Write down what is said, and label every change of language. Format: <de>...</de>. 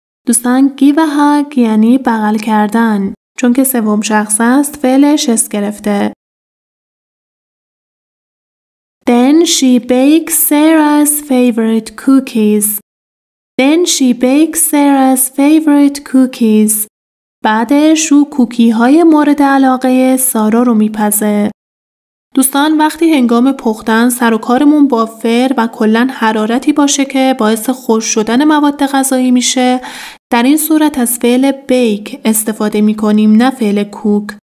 <fa>دوستان give a hug یعنی بغل کردن. چون که سوم شخص است فعلش اس گرفته.</fa> <en>Then she bakes Sarah's favorite cookies. Then she bakes Sarah's favorite cookies.</en> <fa>بعدش او کوکی های مورد علاقه سارا رو میپزه. دوستان وقتی هنگام پختن سر و کارمون با فر و کلن حرارتی باشه که باعث خوش شدن مواد غذایی میشه، در این صورت از فعل بیک استفاده میکنیم نه فعل کوک.</fa>